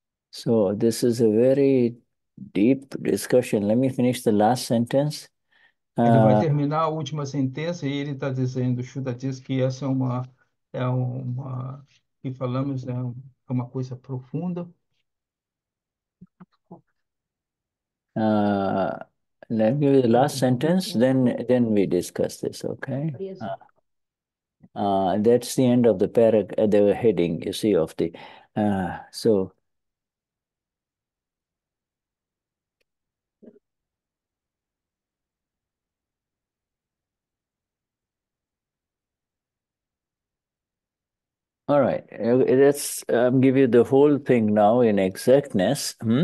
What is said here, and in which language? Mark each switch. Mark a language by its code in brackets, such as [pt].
[en] So this is a very deep discussion. Let me finish the last sentence. [pt] Ele vai terminar a última sentença e ele está dizendo, Shuddha diz que essa é uma que falamos é uma coisa profunda. [en] Let me the last sentence, then we discuss this, okay? That's the end of the paragraph, the heading, you see, of the so all right, let's give you the whole thing now in exactness.